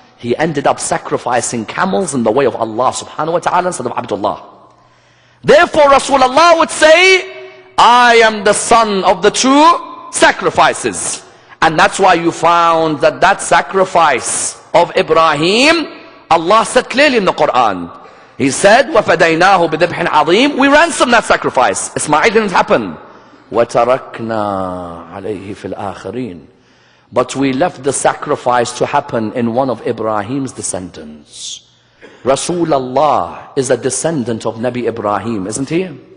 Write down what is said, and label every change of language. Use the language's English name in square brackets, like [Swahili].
[English] He ended up sacrificing camels in the way of Allah subhanahu wa ta'ala instead of Abdullah. Therefore, Rasulullah would say, I am the son of the two sacrifices. And that's why you found that that sacrifice of Ibrahim, Allah said clearly in the Quran. [Arabic] He said, وَفَدَيْنَاهُ بِذِبْحٍ عَظِيمٍ. [English] We ransomed that sacrifice. [Arabic] Ismail didn't happen. وَتَرَكْنَا عَلَيْهِ فِي الْآخِرِينَ. [English] But we left the sacrifice to happen in one of Ibrahim's descendants. Rasulullah is a descendant of Nabi Ibrahim, isn't he?